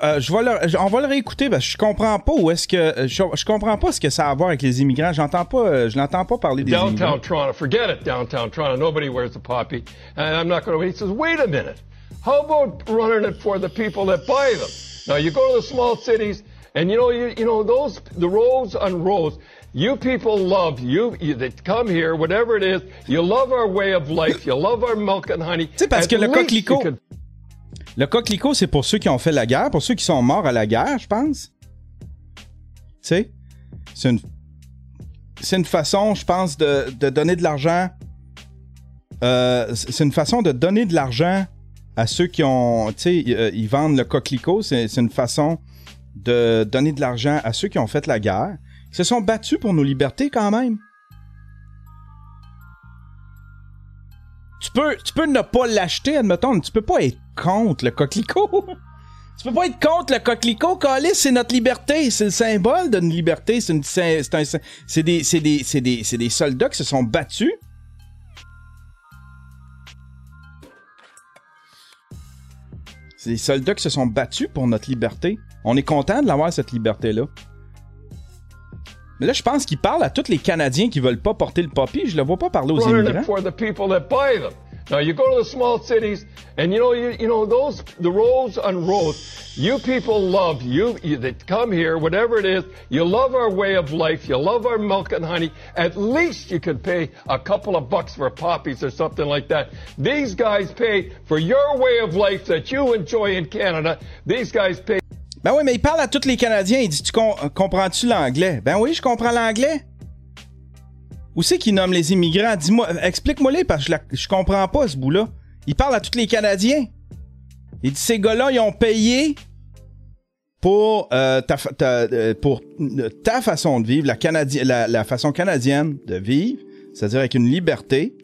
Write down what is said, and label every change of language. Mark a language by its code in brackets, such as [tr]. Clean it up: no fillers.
[fr] On va le réécouter parce que je comprends pas où est-ce que. Je comprends pas ce que ça a à voir avec les immigrants. J'entends pas. Je n'entends pas parler des [en] downtown [fr] immigrants. [en] Downtown Toronto, forget it, downtown Toronto. Nobody wears a poppy. And I'm not going to wait. He says, wait a minute. How about running it for the people that buy them? Now, you go to the small cities and you know, those, the rows on rows. You people love, you that come here, whatever it is. You love our way of life. You love our milk and honey. [fr] Tu sais, parce que le coquelicot. Le coquelicot, c'est pour ceux qui ont fait la guerre, pour ceux qui sont morts à la guerre, je pense. Tu sais, c'est une façon, je pense, de donner de l'argent. C'est une façon de donner de l'argent à ceux qui ont, tu sais, ils vendent le coquelicot. C'est une façon de donner de l'argent à ceux qui ont fait la guerre. Ils se sont battus pour nos libertés quand même. Tu peux ne pas l'acheter, admettons, mais tu peux pas être contre le coquelicot. Tu peux pas être contre le coquelicot, Calis, c'est notre liberté, c'est le symbole d'une liberté, c'est des soldats qui se sont battus. C'est des soldats qui se sont battus pour notre liberté. On est content de l'avoir, cette liberté-là. Mais là, je pense qu'il parle à tous les Canadiens qui veulent pas porter le poppy, je le vois pas parler aux immigrants. [en] Now you go to the small cities, and you know those the rows on rows. You people love you that come here, whatever it is. You love our way of life. You love our milk and honey. At least you could pay a couple of bucks for poppies or something like that. These guys pay for your way of life that you enjoy in Canada. These guys pay. [fr] Ben oui, mais il parle à tous les Canadiens. Il dit, comprends-tu l'anglais? Ben oui, je comprends l'anglais. Où c'est qu'il nomme les immigrants? Dis-moi, explique-moi-les, parce que je comprends pas ce bout-là. Il parle à tous les Canadiens. Il dit, ces gars-là, ils ont payé pour ta façon de vivre, la façon canadienne de vivre, c'est-à-dire avec une liberté.